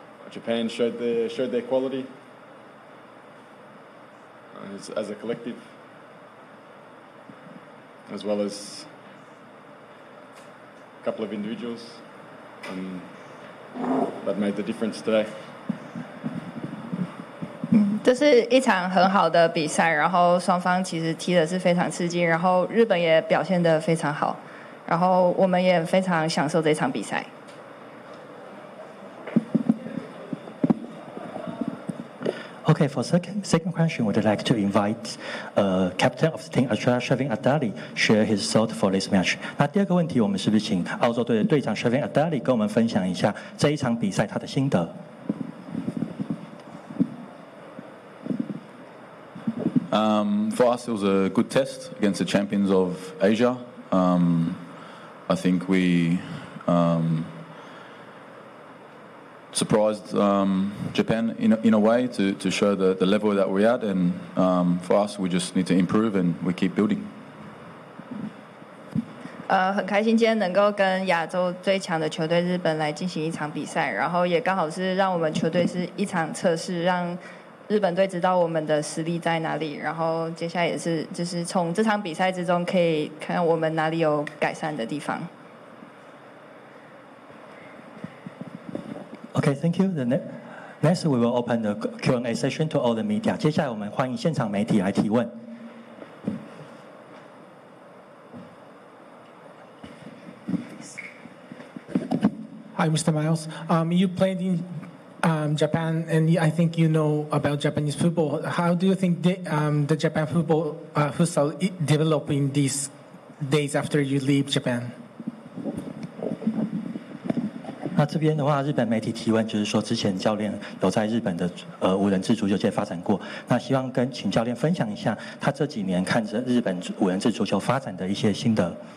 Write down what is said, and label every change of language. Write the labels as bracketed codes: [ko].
[en] Japan showed their quality as a collective, as well as a couple of individuals, and that made the difference today. [zh] 这是一场很好的比赛，然后双方其实踢的是非常刺激，然后日本也表现得非常好。然后我们也非常享受这场比赛。 [en] Okay, for second question, we'd like to invite captain of the team, Australia, Shavin Adali, share his thought for this match. [zh] 那第二个问题，我们是不是请澳洲队的队长 Shavin Adali 跟我们分享一下这一场比赛他的心得？ [en] For us, it was a good test against the champions of Asia. I think we surprised Japan in a way to show the level that we're at, and for us, we just need to improve and we keep building. [zh] 很开心今天能够跟亚洲最强的球队日本来进行一场比赛，然后也刚好是让我们球队是一场测试，让日本队知道我们的实力在哪里，然后接下来也是就是从这场比赛之中可以看我们哪里有改善的地方。 [en] Okay, thank you. The next we will open the Q&A session to all the media. [zh] 接下来我们欢迎现场媒体来提问。 [en] Hi, Mr. Miles. You played inJapan, and I think you know about Japanese football. How do you think the Japan football futsal developing these days after you leave Japan? [zh] 那这边的话，日本媒体提问就是说，之前教练有在日本的五人制足球界发展过。那希望跟请教练分享一下他这几年看着日本五人制足球发展的一些心得。